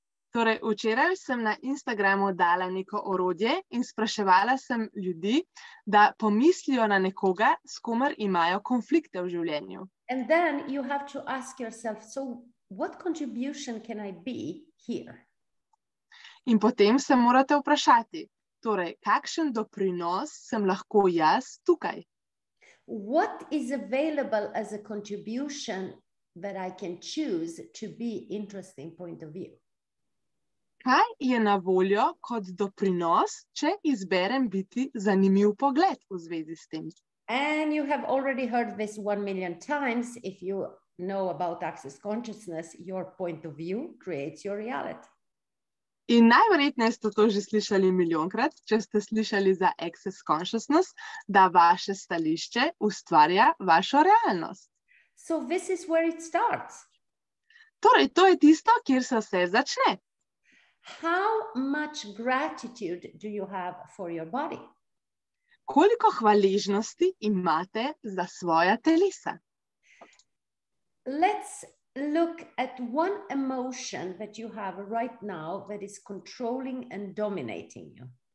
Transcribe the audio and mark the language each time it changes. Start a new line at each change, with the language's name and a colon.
Slovenian: Torej, včeraj sem na Instagramu dala neko orodje in spraševala sem ljudi, da pomislijo na nekoga, s komer imajo konflikte v življenju.
English: And then you have to ask yourself, so what contribution can I be here?
Slovenian: In potem se morate vprašati, torej, kakšen doprinos sem lahko jaz tukaj?
English: What is available as a contribution that I can choose to be interesting point of view?
Slovenian: Kaj je na voljo kot doprinos, če izberem biti zanimiv pogled v zvezi s tem?
English: And you have already heard this 1 million times. If you know about access consciousness, your point of view creates your reality.
Slovenian: In najverjetneje ste to že slišali milijonkrat, če ste slišali za access consciousness, da vaše stališče ustvarja vašo realnost.
English: So this is where it starts.
Slovenian: Torej, to je tisto, kjer se vse začne.
English: How much gratitude do you have for your body?
Slovenian: Koliko hvaležnosti imate za svoja telesa?
English: Let's look at one emotion that you have right now that is controlling and dominating you.